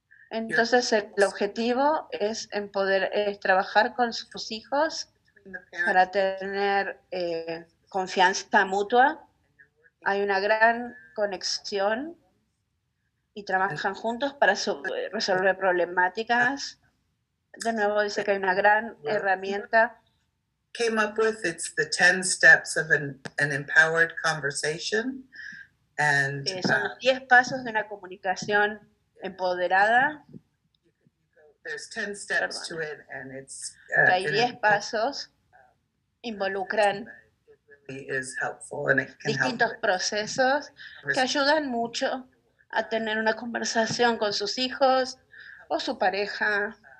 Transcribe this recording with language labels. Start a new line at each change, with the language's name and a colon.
Spanish: Entonces el objetivo es trabajar con sus hijos para tener confianza mutua. Hay una gran conexión y trabajan juntos para resolver problemáticas. De nuevo dice que hay una gran herramienta
English: came up with. It's the 10 steps of an empowered conversation. And
Spanish: son los 10 pasos de una comunicación empoderada.
English: There's 10 steps to it, and it's
Spanish: hay 10 pasos involucran distintos procesos que ayudan mucho a tener una conversación con sus hijos o su pareja.